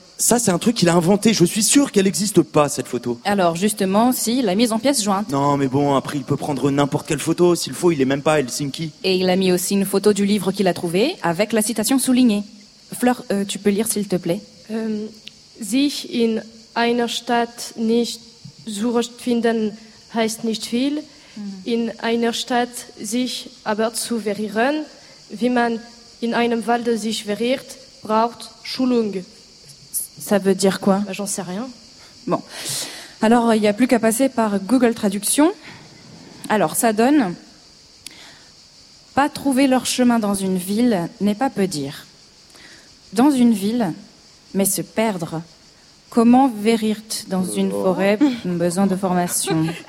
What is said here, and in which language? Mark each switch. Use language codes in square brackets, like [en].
[fr] Ça, c'est un truc qu'il a inventé. Je suis sûr qu'elle n'existe pas, cette photo. Alors, justement, si, la mise en pièce jointe. Non, mais bon, après, il peut prendre n'importe quelle photo. S'il faut, il n'est même pas Helsinki. Et il a mis aussi une photo du livre qu'il a trouvé, avec la citation soulignée. Fleur, tu peux lire, s'il te plaît. [de] Sich in einer Stadt nicht zurecht finden heißt nicht viel. In einer Stadt sich aber zu verirren, wie man in einem Walde sich verirrt, braucht Schulung. [fr] Ça veut dire quoi ? Bah, j'en sais rien. Bon. Alors, il n'y a plus qu'à passer par Google Traduction. Alors, ça donne... Pas trouver leur chemin dans une ville n'est pas peu dire. Dans une ville, mais se perdre. Comment verirt dans une forêt besoin de formation ?